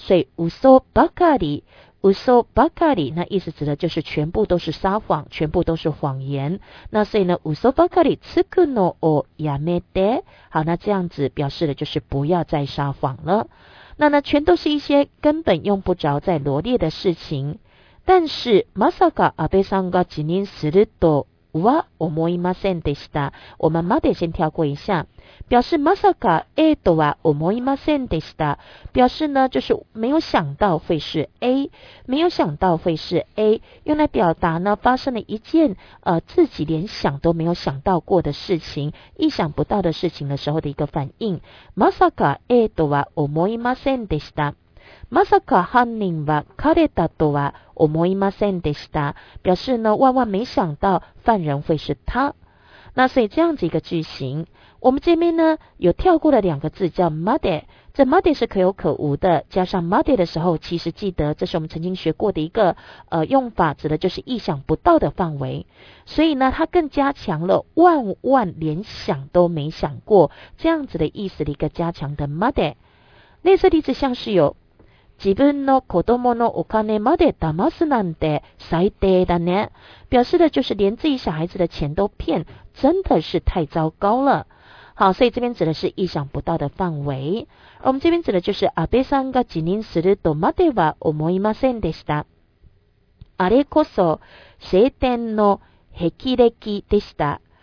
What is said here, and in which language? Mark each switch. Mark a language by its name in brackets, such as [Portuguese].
[Chinese] 所以嘘ばかり，嘘ばかり，那意思指的就是全部都是撒谎，全部都是谎言。那所以呢， [Japanese] 嘘ばかりつくのをやめて， [Chinese] 好，那这样子表示的就是不要再撒谎了。那呢，全都是一些根本用不着再罗列的事情。但是 [Japanese] まさか安倍さんが辞任するとは思いませんでした。 [Chinese] 我们まで先跳过一下。表示まさか A とは思いませんでした。表示呢，就是没有想到会是 A， 没有想到会是 A， 用来表达呢发生了一件自己连想都没有想到过的事情，意想不到的事情的时候的一个反应。 [Japanese] まさか A とは思いませんでした。まさか犯人は彼だとは思いませんでした。 [Chinese] 表示呢，万万没想到犯人会是他。那所以这样子一个句型。我们这边呢有跳过了两个字叫 made， 这 made 是可有可无的，加上 made 的时候，其实记得这是我们曾经学过的一个用法，指的就是意想不到的范围，所以呢它更加强了万万连想都没想过这样子的意思的一个加强的 made。类似例子像是有 [Japanese] 自分の子供のお金まで騙すなんて最低だね， [Chinese] 表示的就是连自己小孩子的钱都骗，真的是太糟糕了。好，所以这边指的是意想不到的范围。我们这边指的就是 [Japanese] 安倍さんが辞任するとまでは思いませんでした。あれこそ晴天の霹靂でした。